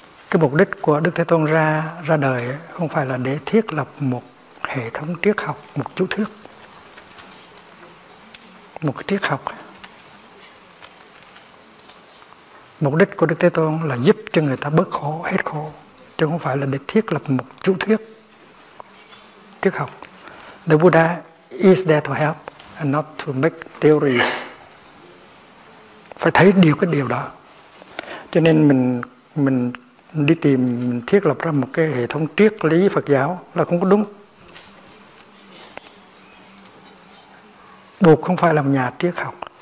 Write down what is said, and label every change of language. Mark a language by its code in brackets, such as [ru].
[vi] Cái mục đích của Đức Thế Tôn ra đời không phải là để thiết lập một hệ thống triết học, một chú thuyết, một triết học, Mục đích của Đức Thế Tôn là giúp cho người ta bớt khổ, hết khổ, chứ không phải là để thiết lập một chủ thuyết triết học. [en] The Buddha is there to help and not to make theories. [vi] Phải thấy điều cái điều đó. Cho nên mình đi tìm, mình thiết lập ra một cái hệ thống triết lý Phật giáo là không có đúng. Buộc không phải là một nhà triết học.